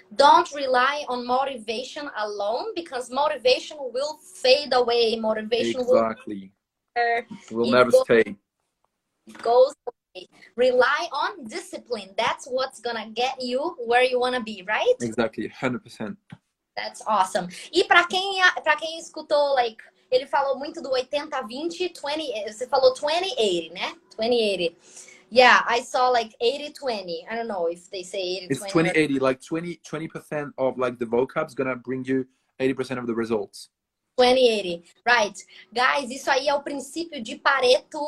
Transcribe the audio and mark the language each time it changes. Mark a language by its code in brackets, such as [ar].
[en] Don't rely on motivation alone, because motivation will fade away. Motivation exactly. Will never stay. It goes away. Rely on discipline. That's what's gonna get you where you wanna be, right? Exactly, 100%. That's awesome. [pt] E pra quem escutou, like, ele falou muito do 80-20, 20, você falou 20-80, né? [en] 20-80. Yeah, I saw like 80-20. I don't know if they say 80-20. It's 20-80, like 20% of like the vocab is gonna bring you 80% of the results. 20-80, right. [pt] Guys, isso aí é o princípio de Pareto.